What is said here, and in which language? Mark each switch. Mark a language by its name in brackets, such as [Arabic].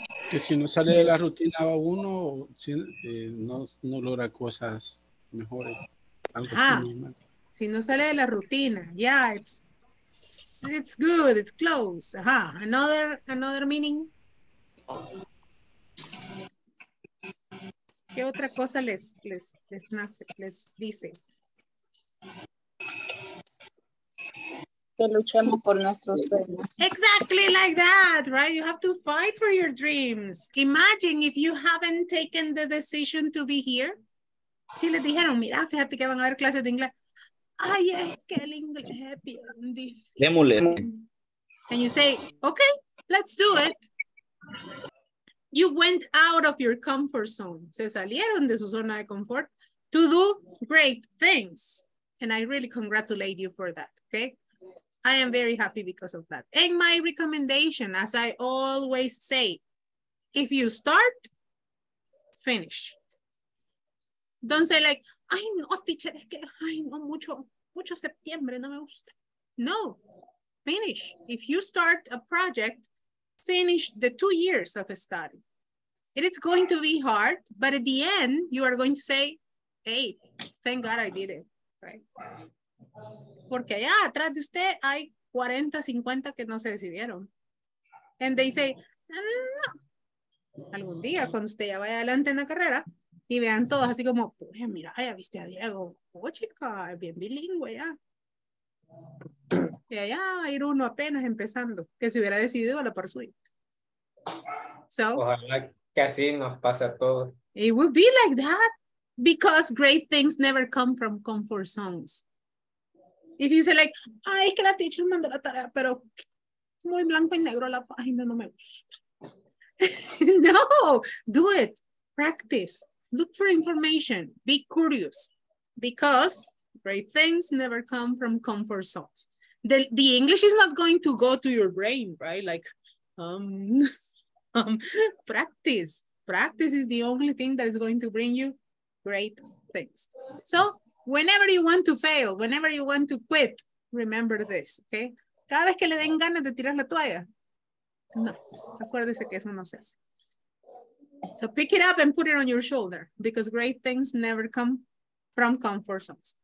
[Spanish] Que si no sale de la rutina a uno, no logra cosas mejores. Si no sale de la rutina, [English] yeah, it's good, it's close. Ajá. Another meaning. [Spanish] ¿Qué otra cosa les nace, les dice? Que luchemos por nuestros sueños. [English] Exactly like that, right? You have to fight for your dreams. Imagine if you haven't taken the decision to be here. [Spanish] Si les dijeron, mira, fíjate que van a haber clases de inglés. Ay, es que el inglés es bien difícil. [English] And you say, okay, let's do it. You went out of your comfort zone. [Spanish] Se salieron de su zona de confort [English] to do great things. And I really congratulate you for that, okay? I am very happy because of that. And my recommendation, as I always say, if you start, finish. Don't say like, [Spanish] ay no, teacher, es que, ay no, mucho septiembre, no me gusta. [English] No, finish. If you start a project, finish the 2 years of a study. It is going to be hard, but at the end, you are going to say, hey, thank God I did it, right? [Spanish] Porque allá atrás de usted hay 40, 50 que no se decidieron. [English] And they say, [Spanish] no. Algún día cuando usted ya vaya adelante en la carrera y vean todos así como, pues mira, ya viste a Diego. Oh, chica, es bien bilingüe ya. Y allá va a ir uno apenas empezando, que se hubiera decidido a la par suya. So, ojalá que así nos pase a todos. [English] It will be like that because great things never come from comfort zones. If you say like, [Spanish] ay, es que la teacher mandó la tarea, pero muy blanco y negro la página, no me gusta. [English] No, do it. Practice. Look for information. Be curious. Because great things never come from comfort zones. The English is not going to go to your brain, right? Like, practice. Practice is the only thing that is going to bring you great things. So, whenever you want to fail, whenever you want to quit, remember this, okay? [Spanish] Cada vez que le den ganas de tirar la toalla, no, acuérdese que eso no se hace. [English] So pick it up and put it on your shoulder because great things never come from comfort zones.